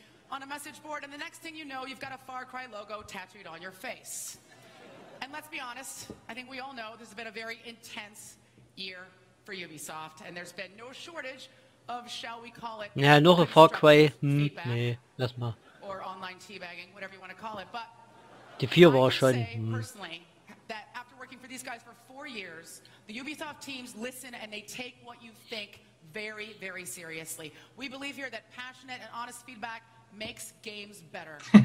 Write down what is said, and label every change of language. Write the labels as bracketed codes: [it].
[en] On a message board, and the next thing you know, you've got a Far Cry logo tattooed on your face. And let's be honest, I think we all know this has been a very intense year for Ubisoft, and there's been no shortage of, shall we call it... [de] Ja, noch ein Far Cry, nee, lass mal. [en] Or online teabagging, whatever you want to call it, but... [de] Die vier war schon, [en] that after working for these guys for 4 years, the Ubisoft teams listen and they take what you think very, very seriously. We believe here that passionate and honest feedback makes games better.